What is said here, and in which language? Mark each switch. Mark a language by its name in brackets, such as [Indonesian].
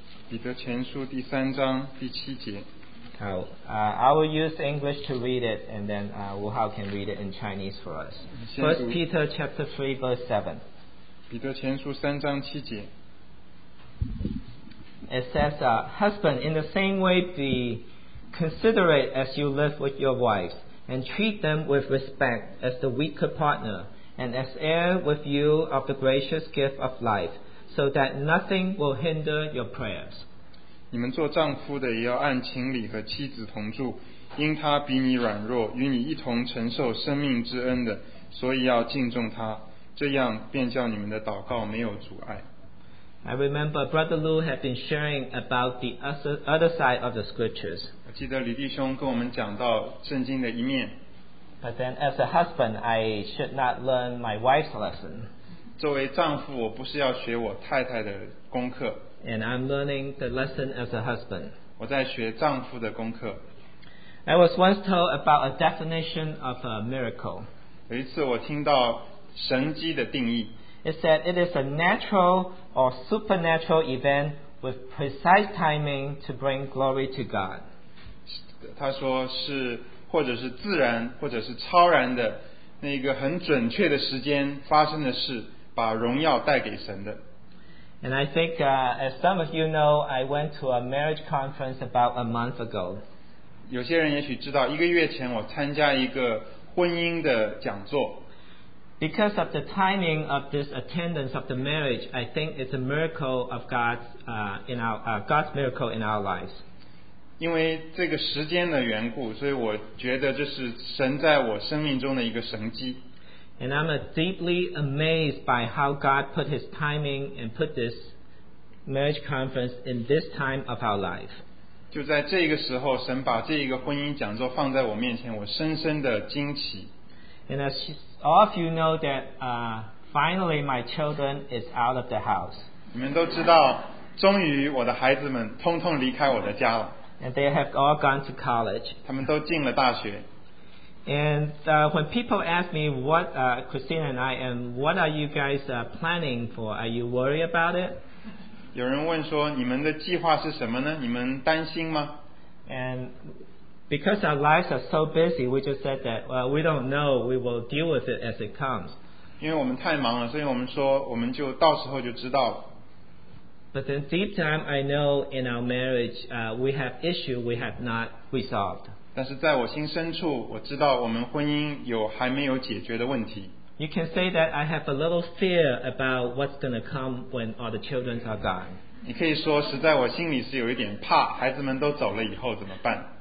[Chinese] 彼得前书第三章第七节。 [English] 好，I will use English to read it, and then Wu Hao can read it in Chinese for us. First Peter chapter 3 verse 7 [Chinese] 彼得前书三章七节。 [English] It says, husband, in the same way be considerate as you live with your wives, and treat them with respect as the weaker partner, and as heir with you of the gracious gift of life, so that nothing will hinder your prayers. [Chinese] 你们做丈夫的也要按情理和妻子同住，因他比你软弱，与你一同承受生命之恩的，所以要敬重他，这样便叫你们的祷告没有阻碍。 [English] I remember Brother Lu had been sharing about the other side of the scriptures. [Chinese] 我记得李弟兄跟我们讲到圣经的一面。 [English] But then, as a husband, I should not learn my wife's lesson. [Chinese] 作为丈夫，我不是要学我太太的功课。 [English] And I'm learning the lesson as a husband. [Chinese] 我在学丈夫的功课。 [English] I was once told about a definition of a miracle. [Chinese] 有一次我听到神迹的定义。 [English] It said it is a natural or supernatural event with precise timing to bring glory to God. [Chinese] 他说是或者是自然或者是超然的那个很准确的时间发生的事把荣耀带给神的。 [English] And I think, as some of you know, I went to a marriage conference about a month ago. [Chinese] 有些人也许知道，一个月前我参加一个婚姻的讲座。 [English] Because of the timing of this attendance of the marriage, I think it's a miracle of God's, God's miracle in our lives. [Chinese] 因为这个时间的缘故，所以我觉得这是神在我生命中的一个神迹。 [English] And I'm deeply amazed by how God put His timing and put this marriage conference in this time of our life. [Chinese] 就在这个时候，神把这一个婚姻讲座放在我面前，我深深的惊奇。 [English] And as all of you know that, finally my children is out of the house. [Chinese] 你们都知道，终于我的孩子们通通离开我的家了。 [English] And they have all gone to college. [Chinese] 他们都进了大学。 [English] And when people ask me what Christina and I and what are you guys planning for, are you worried about it? [Chinese] 有人问说你们的计划是什么呢？你们担心吗？ [English] And because our lives are so busy, we just said that we don't know. We will deal with it as it comes. [Chinese] 因为我们太忙了，所以我们说我们就到时候就知道了。 [English] But then deep down, I know in our marriage, we have issue we have not resolved. [Chinese] 但是在我心深处，我知道我们婚姻有还没有解决的问题。 [English] You can say that I have a little fear about what's going to come when all the children are gone. [Chinese] 你可以说，实在我心里是有一点怕，孩子们都走了以后怎么办